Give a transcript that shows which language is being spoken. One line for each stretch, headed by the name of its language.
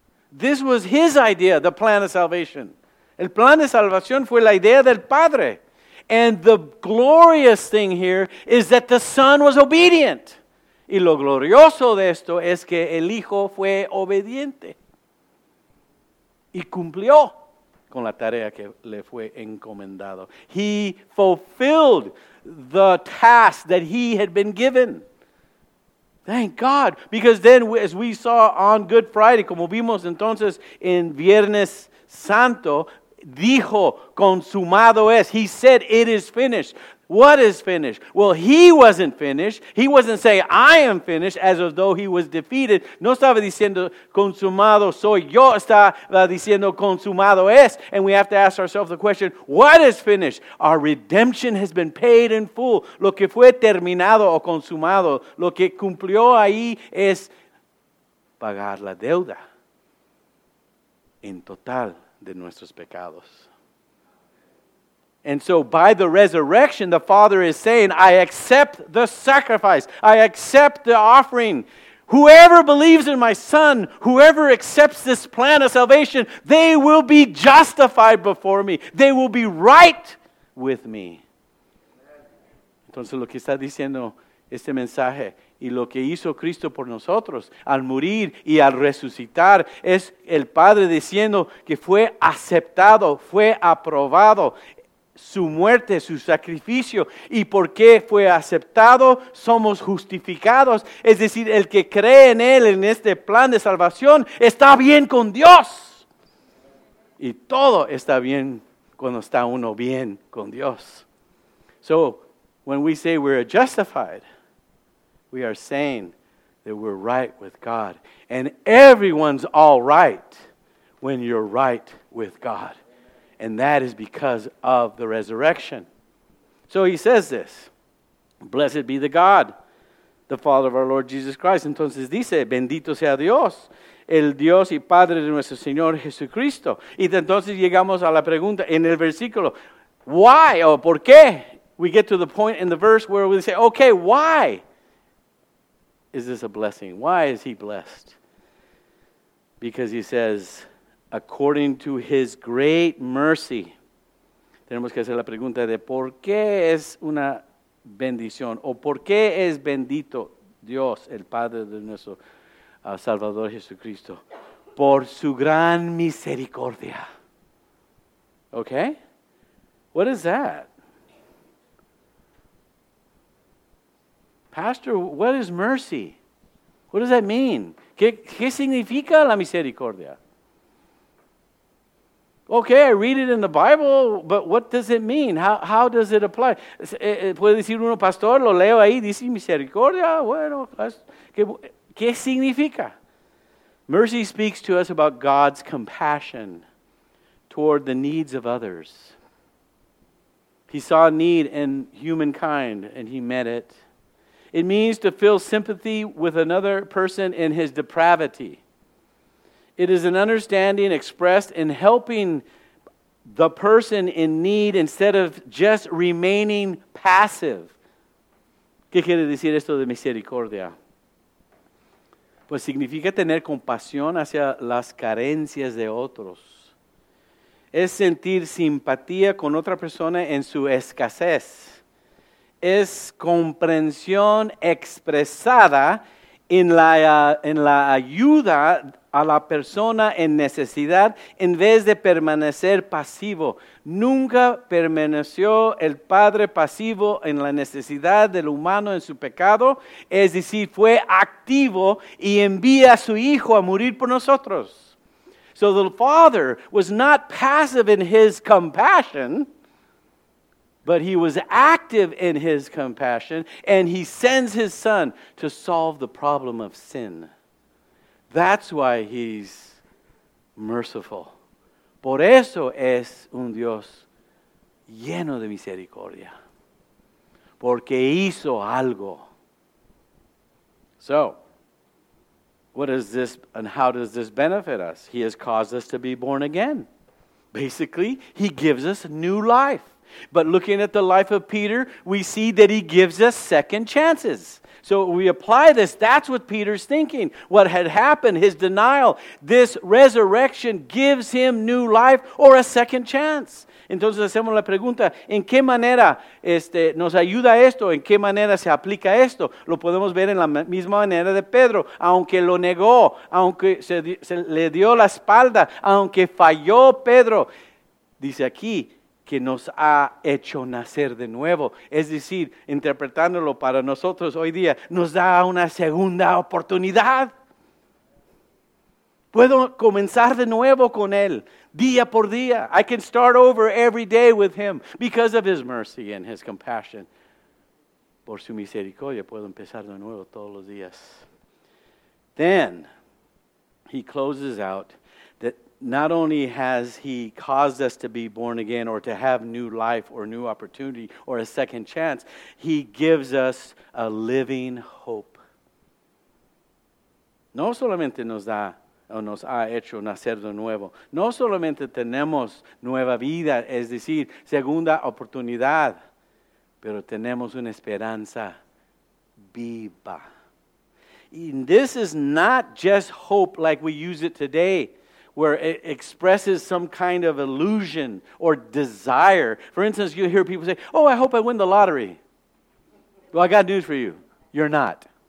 English: This was His idea, the plan of salvation.
Spanish: El plan de salvación fue la idea del Padre.
English: And the glorious thing here is that the Son was obedient.
Spanish: Y lo glorioso de esto es que el Hijo fue obediente. Y cumplió con la tarea que le fue encomendado.
English: He fulfilled the task that He had been given. Thank God. Because then, as we saw on Good Friday,
Spanish: como vimos entonces en Viernes Santo, dijo, consumado es.
English: He said, it is finished. What is finished? Well, He wasn't finished. He wasn't saying, I am finished, as though He was defeated.
Spanish: No estaba diciendo, consumado soy yo. Estaba diciendo, consumado es.
English: And we have to ask ourselves the question, what is finished? Our redemption has been paid in full.
Spanish: Lo que fue terminado o consumado, lo que cumplió ahí es pagar la deuda en total de nuestros pecados.
English: And so by the resurrection, the Father is saying, I accept the sacrifice. I accept the offering. Whoever believes in my Son, whoever accepts this plan of salvation, they will be justified before me. They will be right with me.
Spanish: Entonces lo que está diciendo este mensaje y lo que hizo Cristo por nosotros al morir y al resucitar es el Padre diciendo que fue aceptado, fue aprobado su muerte, su sacrificio. ¿Y por qué fue aceptado? Somos justificados. Es decir, el que cree en Él, en este plan de salvación, está bien con Dios. Y todo está bien cuando está uno bien con Dios.
English: So, when we say we're justified, we are saying that we're right with God. And everyone's all right when you're right with God. And that is because of the resurrection. So He says this. Blessed be the God, the Father of our Lord Jesus Christ.
Spanish: Entonces dice, bendito sea Dios, el Dios y Padre de nuestro Señor Jesucristo. Y entonces llegamos a la pregunta en el versículo.
English: Why
Spanish: o por qué?
English: We get to the point in the verse where we say, okay, why? Is this a blessing? Why is He blessed? Because He says, according to His great mercy.
Spanish: Tenemos que hacer la pregunta de por qué es una bendición o por qué es bendito Dios, el Padre de nuestro Salvador Jesucristo. Por su gran misericordia. Okay?
English: What is that? Pastor, what is mercy? What does that mean?
Spanish: ¿Qué significa la misericordia?
English: Okay, I read it in the Bible, but what does it mean? How does it apply?
Spanish: ¿Puede decir uno, pastor, lo leo ahí, dice misericordia? Bueno, ¿qué significa?
English: Mercy speaks to us about God's compassion toward the needs of others. He saw a need in humankind, and He met it. It means to feel sympathy with another person in his depravity. It is an understanding expressed in helping the person in need instead of just remaining passive.
Spanish: ¿Qué quiere decir esto de misericordia? Pues significa tener compasión hacia las carencias de otros. Es sentir simpatía con otra persona en su escasez. Es comprensión expresada en la ayuda a la persona en necesidad en vez de permanecer pasivo. Nunca permaneció el Padre pasivo en la necesidad del humano en su pecado, es decir, fue activo y envía a su Hijo a morir por nosotros.
English: So the Father was not passive in his compassion, but he was active in his compassion, and he sends his Son to solve the problem of sin. That's why he's merciful.
Spanish: Por eso es un Dios lleno de misericordia. Porque hizo algo.
English: So, what is this and how does this benefit us? He has caused us to be born again. Basically, he gives us new life. But looking at the life of Peter, we see that he gives us second chances. So we apply this. That's what Peter's thinking. What had happened, his denial, this resurrection gives him new life or a second chance.
Spanish: Entonces hacemos la pregunta, ¿en qué manera nos ayuda esto? ¿En qué manera se aplica esto? Lo podemos ver en la misma manera de Pedro. Aunque lo negó, aunque se le dio la espalda, aunque falló Pedro, dice aquí, que nos ha hecho nacer de nuevo. Es decir, interpretándolo para nosotros hoy día, nos da una segunda oportunidad. Puedo comenzar de nuevo con Él, día por día.
English: I can start over every day with Him because of His mercy and His compassion.
Spanish: Por su misericordia, puedo empezar de nuevo todos los días.
English: Then, He closes out. Not only has he caused us to be born again or to have new life or new opportunity or a second chance, he gives us a living hope.
Spanish: No solamente nos da o nos ha hecho nacer de nuevo. No solamente tenemos nueva vida, es decir, segunda oportunidad, pero tenemos una esperanza viva.
English: And this is not just hope like we use it today, where it expresses some kind of illusion or desire. For instance, you hear people say, oh, I hope I win the lottery. Well, I got news for you. You're not.